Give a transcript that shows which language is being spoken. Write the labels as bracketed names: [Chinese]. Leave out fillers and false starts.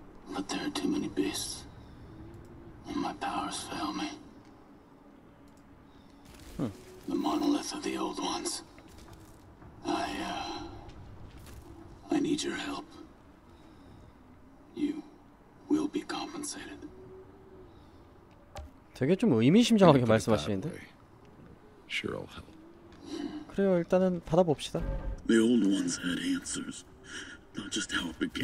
[English] But there are too many beasts, and my powers fail me. The monolith of the old ones. I need your help. You will be compensated. [Korean] 되게 좀 의미심장하게 말씀하시는데. [English] Sure, I'll help. [Korean] 그래요, 일단은 받아봅시다. [English] The old ones had answers, not just how it began.